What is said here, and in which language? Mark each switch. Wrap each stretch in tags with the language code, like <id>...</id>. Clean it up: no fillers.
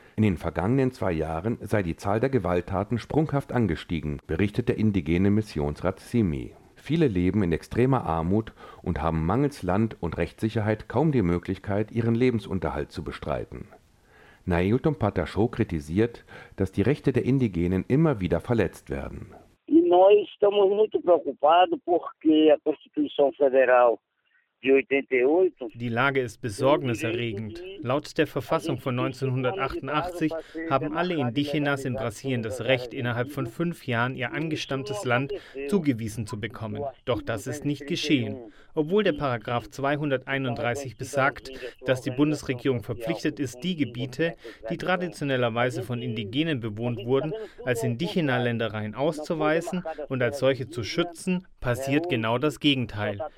<de>In den vergangenen 2 Jahren sei die Zahl der Gewalttaten sprunghaft angestiegen, berichtet der indigene Missionsrat Simi. Viele leben in extremer Armut und haben mangels Land und Rechtssicherheit kaum die Möglichkeit, ihren Lebensunterhalt zu bestreiten. Nailton Patachou kritisiert, dass die Rechte der Indigenen immer wieder verletzt werden.</de> <pt>Nós estamos muito preocupados porque a Constituição Federal</pt> <de>Die Lage ist besorgniserregend. Laut der Verfassung von 1988 haben alle Indigenas in Brasilien das Recht, innerhalb von 5 Jahren ihr angestammtes Land zugewiesen zu bekommen. Doch das ist nicht geschehen. Obwohl der Paragraph 231 besagt, dass die Bundesregierung verpflichtet ist, die Gebiete, die traditionellerweise von Indigenen bewohnt wurden, als Indigena-Ländereien auszuweisen und als solche zu schützen, passiert genau das Gegenteil.</de>